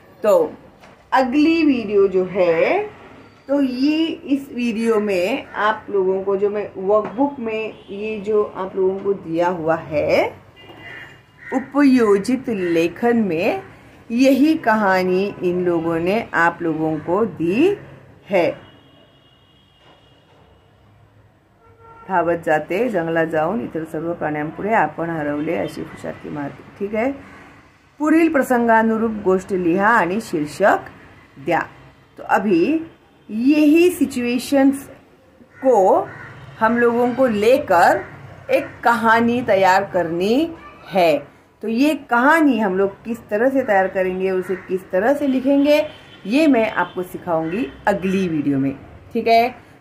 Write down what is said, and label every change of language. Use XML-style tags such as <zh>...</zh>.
<hi>तो अगली वीडियो जो है, तो ये इस वीडियो में आप लोगों को जो मैं वर्कबुक में ये जो आप लोगों को दिया हुआ है उपयोजित लेखन में, यही कहानी इन लोगों ने आप लोगों को दी है।</hi> <mr>धावत जाते जंगलात जाऊन इतर सर्व प्राण्यांपुढे आपण हरवले अशी खुशाती मारते, ठीक आहे। पुढील प्रसंगानुरूप गोष्ट लिहा आणि शीर्षक द्या।</mr> <hi>तो अभी यही सिचुएशंस को हम लोगों को लेकर एक कहानी तैयार करनी है। तो ये कहानी हम लोग किस तरह से तैयार करेंगे, उसे किस तरह से लिखेंगे, ये मैं आपको सिखाऊंगी अगली वीडियो में, ठीक है।</hi>